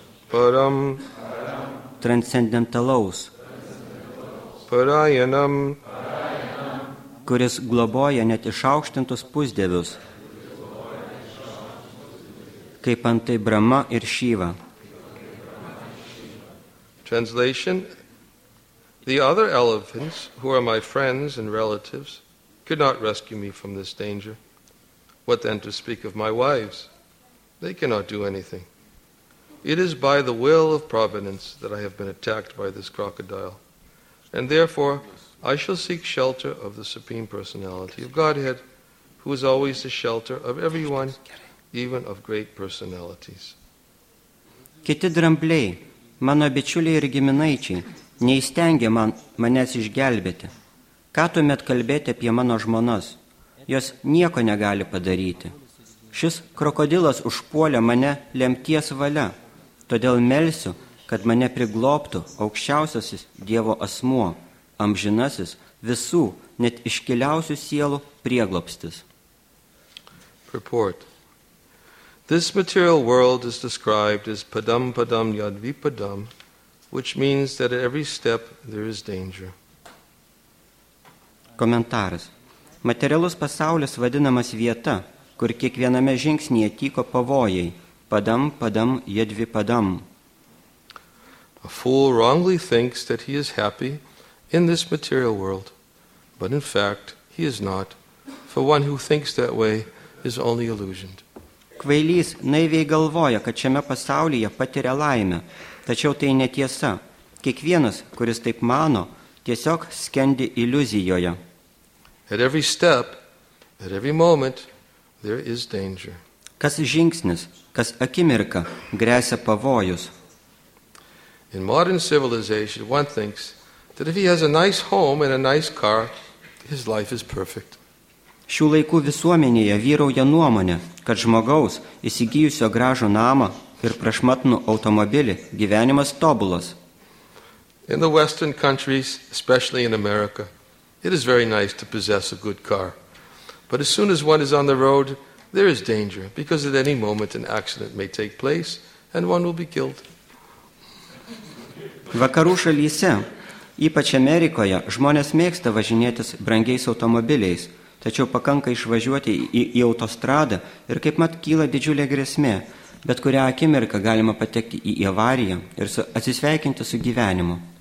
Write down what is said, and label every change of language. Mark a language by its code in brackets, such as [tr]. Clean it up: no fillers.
[sa] param [lt] transcendentalaus [sa] parayanam [lt] kuris globoja net išaukštintus pusdievius kaip antai Brahma ir Šyva. [en] Translation: the other elephants, who are my friends and relatives, could not rescue me from this danger. What then to speak of my wives? They cannot do anything. It is by the will of Providence that I have been attacked by this crocodile, and therefore I shall seek shelter of the Supreme Personality of Godhead, who is always the shelter of everyone, even of great personalities. [lt] Kiti drambliai, mano bičiuliai ir giminaičiai, neįstengia manęs išgelbėti. Ką tuomet kalbėti apie mano žmonas? Jos nieko negali padaryti. Šis krokodilas užpuolė mane lemties valia. Todėl melsiu, kad mane priglobtų aukščiausiasis Dievo asmuo, amžinasis visų, net iškiliausių sielų prieglobstis. [en] Purport. This material world is described as [sa] padam padam yadvipadam, [en] which means that at every step there is danger. [lt] Komentaras. Materialus pasaulis vadinamas vieta, kur kiekviename žingsnyje tyko pavojai. [sa] Padam padam yadvipadam. [en] A fool wrongly thinks that he is happy in this material world, but in fact he is not, for one who thinks that way is only illusioned. [lt] Kvailys naiviai galvoja, kad šiame pasaulyje patiria laimę. Tačiau tai netiesa. Kiekvienas, kuris taip mano, tiesiog skendi iliuzijoje. [en] At every step, at every moment, there is danger. [lt] Kas žingsnis, kas akimirka, grėsia pavojus. [en] In modern civilization, one thinks that if he has a nice home and a nice car, his life is perfect. [lt] Šių laikų visuomenėje vyrauja nuomonė, kad žmogaus, įsigijusio gražų namą ir prašmatnų automobilį, gyvenimas tobulas. [en] In the Western countries, especially in America, it is very nice to possess a good car. But as soon as one is on the road, there is danger, because at any moment an accident may take place and one will be killed. [lt] Vakarų šalyse, ypač Amerikoje, žmonės mėgsta važinėtis brangiais automobiliais. Tačiau pakanka išvažiuoti į autostradą ir kaip mat kyla didžiulė grėsmė, bet kurią akimirką galima patekti į avariją ir atsisveikinti su gyvenimu.